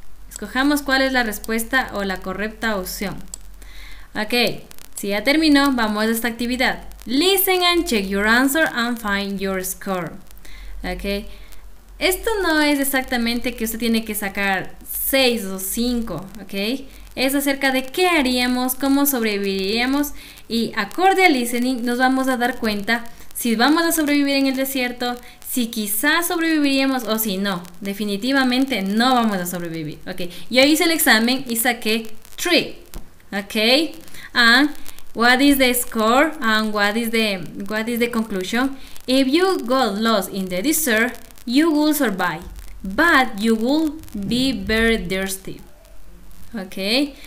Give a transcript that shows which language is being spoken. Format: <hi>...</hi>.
<es>Escojamos cuál es la respuesta o la correcta opción. Ok, si ya terminó, vamos a esta actividad.</es> <en>Listen and check your answer and find your score.</en> <es>Ok, esto no es exactamente que usted tiene que sacar 6 o 5, ok. Es acerca de qué haríamos, cómo sobreviviríamos y acorde al listening nos vamos a dar cuenta si vamos a sobrevivir en el desierto, si quizás sobreviviríamos o si no, definitivamente no vamos a sobrevivir, ¿ok? Yo hice el examen y saqué 3, ¿ok?</es> <en>And what is the score and what is the conclusion? If you got lost in the desert, you will survive, but you will be very thirsty, ¿ok?</en>